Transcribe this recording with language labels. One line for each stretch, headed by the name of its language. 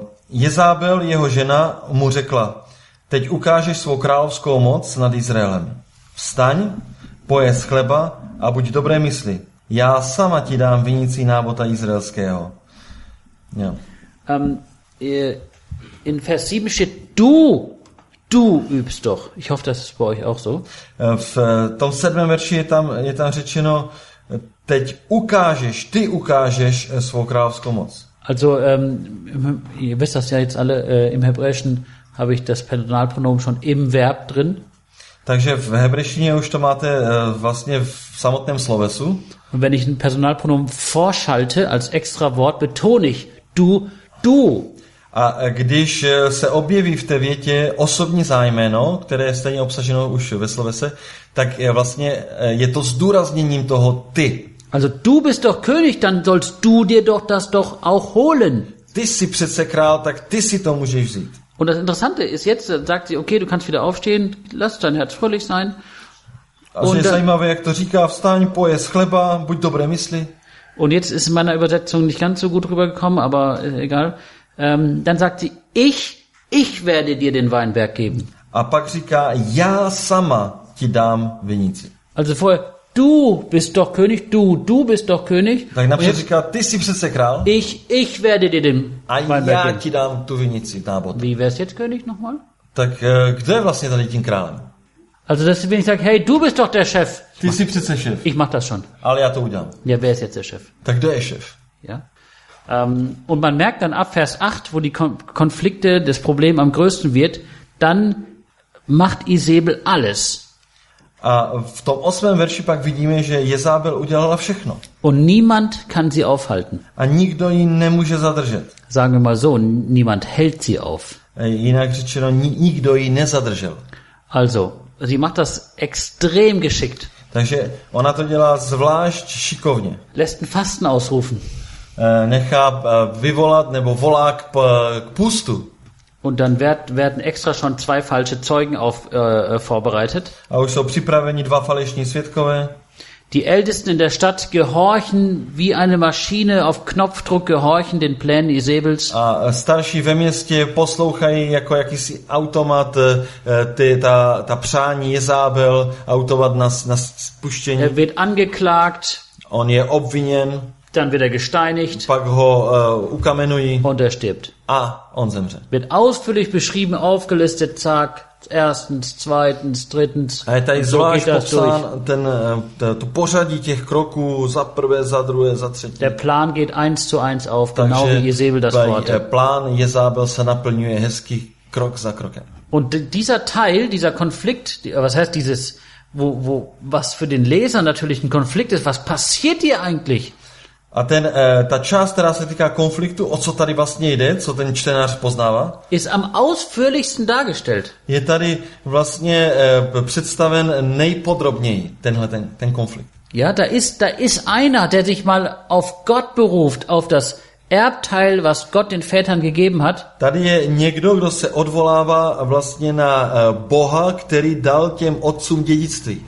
Czech: Jezábel, jeho žena, mu řekla, teď ukážeš svou královskou moc nad Izraelem. Vstaň, pojez chleba a buď dobré mysli. Já sama ti dám vinici Nábota izraelského.
German: Ja. In Vers 7 steht du übst doch. Ich hoffe, das ist bei euch auch so.
Czech: V tom 7. verši je tam řečeno, teď ukážeš, ty ukážeš svou královskou moc.
German: Also, ihr wisst das ja jetzt alle, im Hebräischen habe ich das Personalpronomen schon im Verb drin.
Czech: Takže v hebrejštině už to máte vlastně v samotném slovesu.
German: Und wenn ich ein Personalpronomen vorschalte als extra Wort, betone ich du.
Czech: A když se objeví v té větě osobní zájmeno, které je stejně obsaženo už ve slovese, tak je vlastně je to zdůrazněním toho ty.
German: Also du bist doch König, dann sollst du dir doch das doch auch holen.
Czech: Ty jsi přece král, tak ty si to můžeš vzít.
German: Und das Interessante ist jetzt, sagt sie, okay, du kannst wieder aufstehen, lass dein Herz fröhlich sein.
Czech: A je zajímavé, jak to říká, vstaň, pojez chleba, buď dobré mysli.
German: Und jetzt ist in meiner Übersetzung nicht ganz so gut rübergekommen, aber egal. Dann sagt sie, ich werde dir den Weinberg geben.
Czech: A pak říká, já sama ti dám vinici.
German: Also vorher, du bist doch König.
Czech: Tak napřed říká, ty jsi přece král.
German: Ich werde dir den Weinberg geben.
Czech: A já ti dám tu vinici, Nábot.
German: Wie wär's jetzt König nochmal?
Czech: Tak kdo je vlastně tady tím králem?
German: Also das, wenn ich sage, hey, du bist doch der Chef.
Czech: Ty jsi přece šef.
German: Ich mach das schon.
Czech: Ale já to udělám.
German: Ja, wer ist jetzt der Chef?
Czech: Tak kdo je šef?
German: Ja. Und man merkt dann ab Vers 8, wo die Konflikte, das Problem am größten wird, dann macht Isabel alles.
Czech: A v tom 8. verši pak vidíme, že Jezábel udělala všechno.
German: Und niemand kann sie aufhalten.
Czech: A nikdo ji nemůže zadržet.
German: Sagen wir mal so, niemand hält sie auf.
Czech: Jinak řečeno, nikdo ji nezadržel.
German: Also, sie macht das extrem geschickt.
Czech: Takže ona to dělá zvlášť šikovně.
German: Lässt ein Fasten ausrufen.
Czech: Nechá vyvolat nebo volá k půstu.
German: Und dann werden extra schon zwei falsche Zeugen vorbereitet.
Czech: A už jsou připraveni dva falešní svědkové.
German: Die Ältesten in der Stadt gehorchen wie eine Maschine auf Knopfdruck gehorchen den Plänen Isabels.
Czech: A starší ve městě poslouchají jako jakýsi automat ta přání Jezábel, automat na spuštění.
German: Er wird angeklagt.
Czech: On je obviněn.
German: Dann wird er gesteinigt.
Czech: Pak ho ukamenují.
German: Und er stirbt.
Czech: A on zemře.
German: Wird ausführlich beschrieben, aufgelistet, zack. Erstens, zweitens, drittens.
Czech: A je tady zvlášť popsán ten to pořadí těch kroků za prvé, za druhé, za třetí.
German: Der Plan geht eins zu eins auf,
Czech: takže
German: genau wie Jezebel das vorhatte.
Czech: Plán Jezábel se naplňuje hezky krok za krokem.
German: Und dieser Teil, dieser Konflikt, was heißt dieses, wo was für den Leser natürlich ein Konflikt ist, was passiert hier eigentlich?
Czech: A ten, ta část, která se týká konfliktu, o co tady vlastně jde, co ten čtenář poznává,
German: ist am ausführlichsten dargestellt.
Czech: Je tady vlastně představen nejpodrobněji tenhle ten konflikt.
German: Ja, da ist einer, der sich mal auf Gott beruft, auf das Erbteil, was Gott den Vätern gegeben hat.
Czech: Tady je někdo, kdo se odvolává vlastně na Boha, který dal těm otcům dědictví.